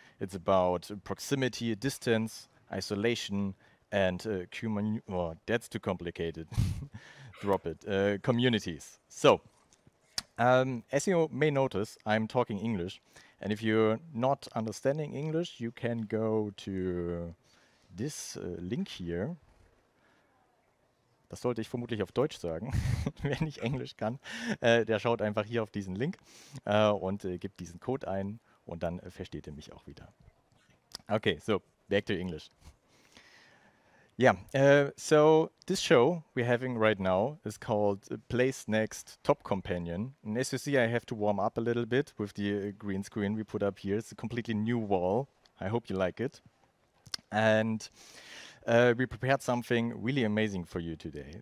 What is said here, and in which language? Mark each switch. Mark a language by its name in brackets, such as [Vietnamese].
[English] It's about proximity, distance, isolation, and communities. So, as you may notice, I'm talking English. And if you're not understanding English, you can go to this link here. [German] Das sollte ich vermutlich auf Deutsch sagen, wenn ich Englisch kann. Der schaut einfach hier auf diesen Link und gibt diesen Code ein und dann versteht er mich auch wieder. [English] Okay, so back to English. Yeah, so this show we're having right now is called Play's Next Top Companion. And as you see, I have to warm up a little bit with the green screen we put up here. It's a completely new wall. I hope you like it. And we prepared something really amazing for you today.